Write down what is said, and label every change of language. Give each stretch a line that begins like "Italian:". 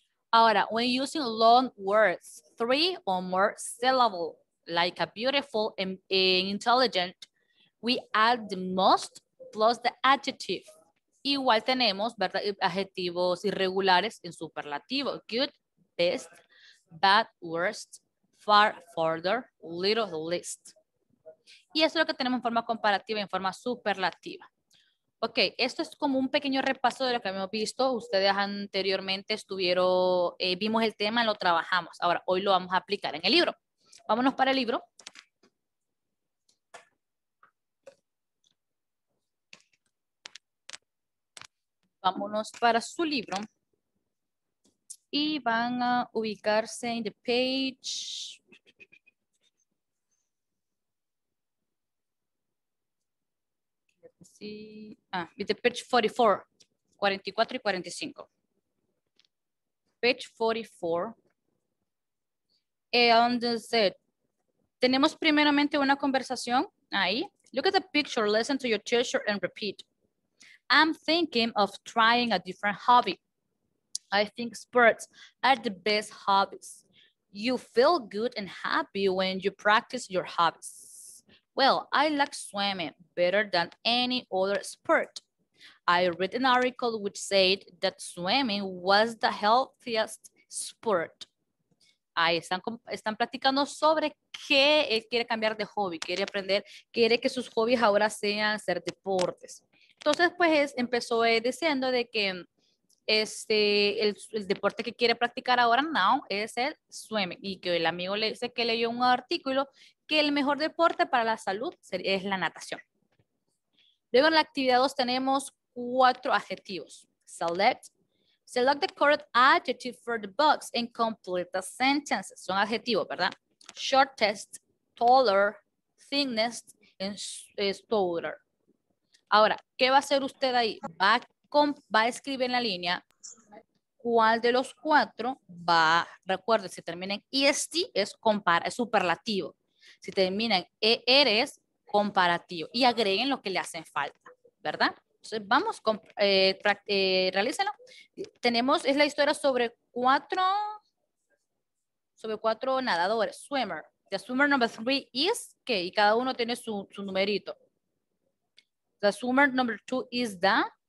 Spanish: Ahora,
English: when using long words, 3 or more syllables, like a beautiful and intelligent, we add the most plus the adjective.
Spanish: Igual tenemos, ¿verdad?, adjetivos irregulares en superlativo.
English: Good, best, bad, worst, far, further, little, least.
Spanish: Y eso es lo que tenemos en forma comparativa, en forma superlativa. Ok, esto es como un pequeño repaso de lo que hemos visto. Ustedes anteriormente estuvieron, vimos el tema, lo trabajamos. Ahora, hoy lo vamos a aplicar en el libro. Vámonos para el libro. Vámonos para su libro. Y van a ubicarse en
English: the page. The page 44, 44
Spanish: y
English: 45. Page 44. And that's it.
Spanish: Tenemos primeramente una conversación ahí.
English: Look at the picture, listen to your teacher and repeat. I'm thinking of trying a different hobby. I think sports are the best hobbies. You feel good and happy when you practice your hobbies. Well, I like swimming better than any other sport. I read an article which said that swimming was the healthiest sport.
Spanish: Ahí están platicando sobre qué él quiere cambiar de hobby, quiere aprender, quiere que sus hobbies ahora sean hacer deportes. Entonces, pues, empezó diciendo de que el deporte que quiere practicar ahora
English: now
Spanish: es el swimming. Y que el amigo le dice que leyó un artículo que el mejor deporte para la salud es la natación. Luego en la actividad 2 tenemos 4 adjetivos.
English: Select the correct adjective for the box and complete the sentence.
Spanish: Son adjetivos, ¿verdad?
English: Shortest, taller, thinnest, and stouter.
Spanish: Ahora, ¿qué va a hacer usted ahí? Va a escribir en la línea cuál de los 4 va. Recuerde, si termina en EST es superlativo. Si termina en ER es comparativo. Y agreguen lo que le hacen falta, ¿verdad? Entonces, vamos, realícenlo. Tenemos, es la historia sobre 4 nadadores. Swimmer.
English: The swimmer number 3 is,
Spanish: ¿qué? Y cada uno tiene su numerito.
English: The swimmer number 2 is the.